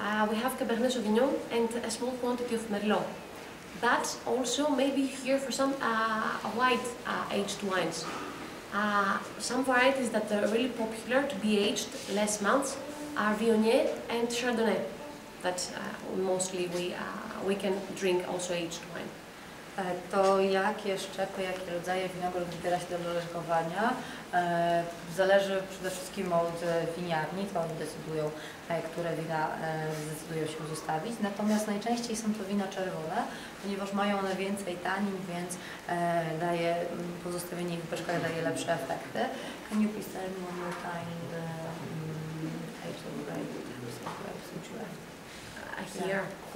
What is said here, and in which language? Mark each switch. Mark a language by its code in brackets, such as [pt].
[en] We have Cabernet Sauvignon and a small quantity of Merlot. But also maybe here for some white aged wines. Some varieties that are really popular to be aged less months are Viognier and Chardonnay. That mostly we can drink also aged wine. [pl] to jakie szczepy, jakie rodzaje winogron wybiera się do lożkowania, zależy przede wszystkim od winiarni, to oni decydują, które wina zdecydują się zostawić. Natomiast najczęściej są to wina czerwone, ponieważ mają one więcej tanin, więc daje, pozostawienie ich w beczkach daje lepsze efekty. [en] Can you please tell me one more time the types of grapes that you have?